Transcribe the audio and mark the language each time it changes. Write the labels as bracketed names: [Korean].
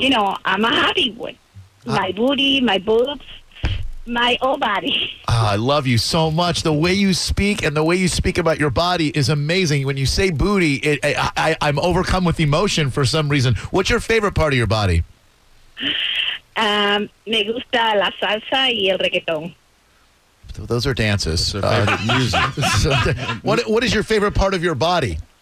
[English] You know, I'm a happy one. My booty, my boobs, my whole body. I love you so much. The way you speak and the way you speak about your body is amazing. When you say booty, I'm overcome with emotion for some reason. What's your favorite part of your body? [Spanish] Me gusta la salsa y el reggaeton. [English] So those are dances. music. So, what is your favorite part of your body?